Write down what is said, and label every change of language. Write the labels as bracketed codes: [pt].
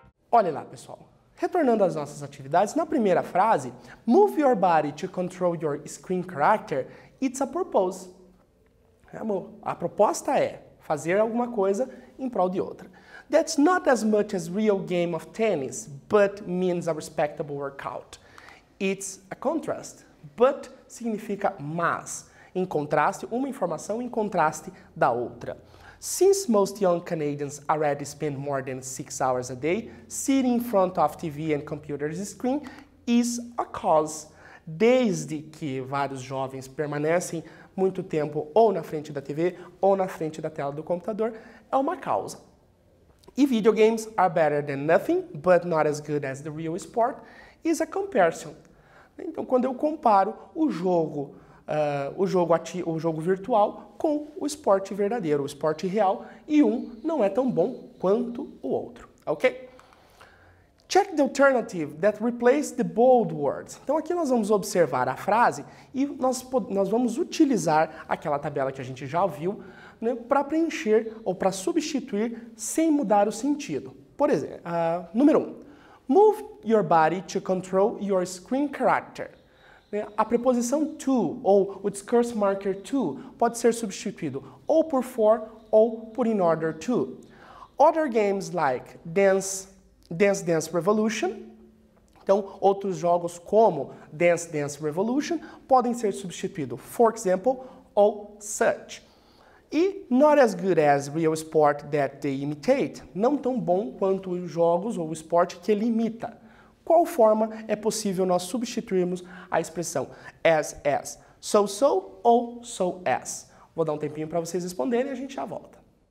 [pt] Olha lá, pessoal. Retornando às nossas atividades, na primeira frase, [en] move your body to control your screen character, it's a purpose. [pt] É, amor, a proposta é fazer alguma coisa em prol de outra. [en] That's not as much as real game of tennis, but means a respectable workout. It's a contrast. But [pt] significa mas. Em contraste, uma informação em contraste da outra. [en] Since most young Canadians already spend more than 6 hours a day, sitting in front of TV and computer screen is a cause. [pt] Desde que vários jovens permanecem muito tempo ou na frente da TV ou na frente da tela do computador, é uma causa. [en] E videogames are better than nothing, but not as good as the real sport, is a comparison. [pt] Então, quando eu comparo o jogo virtual com o esporte verdadeiro, o esporte real, e um não é tão bom quanto o outro, ok? [en] Check the alternative that replaced the bold words. [pt] Então, aqui nós vamos observar a frase e nós vamos utilizar aquela tabela que a gente já viu, né, para preencher ou para substituir sem mudar o sentido. Por exemplo, número 1. [en] Move your body to control your screen character. [pt] A preposição to ou o discourse marker to pode ser substituído ou por for ou por in order to. [en] Other games like Dance Dance Revolution. [pt] Então, outros jogos como Dance Dance Revolution podem ser substituídos, [en] for example, [pt] ou such. [en] E not as good as real sport that they imitate. [pt] Não tão bom quanto os jogos ou o esporte que ele imita. Qual forma é possível nós substituirmos a expressão as? So-so ou so-as? Vou dar um tempinho para vocês responderem e a gente já volta.